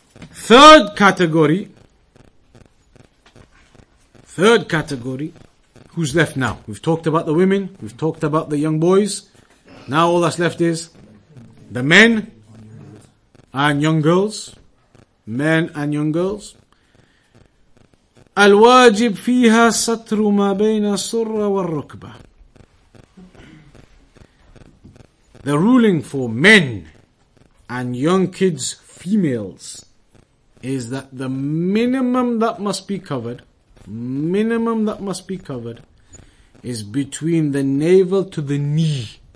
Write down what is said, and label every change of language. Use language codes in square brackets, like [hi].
[en] Third category, who's left now? We've talked about the women, we've talked about the young boys. Now all that's left is the men and young girls. Men and young girls. [ar] الواجب فيها ستر ما بين السرة والركبة. [en] The ruling for men and young kids, females, is that the minimum that must be covered, is between the navel to the knee.